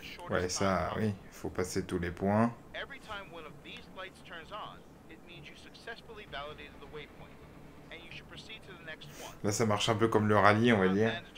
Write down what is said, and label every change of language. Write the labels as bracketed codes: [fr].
[fr] Ouais, ça, oui, il faut passer tous les points. [en] Every time one of these lights turns on, it means you successfully validated the waypoint, and you should proceed to the next one. [fr] Là, ça marche un peu comme le rallye, on va dire.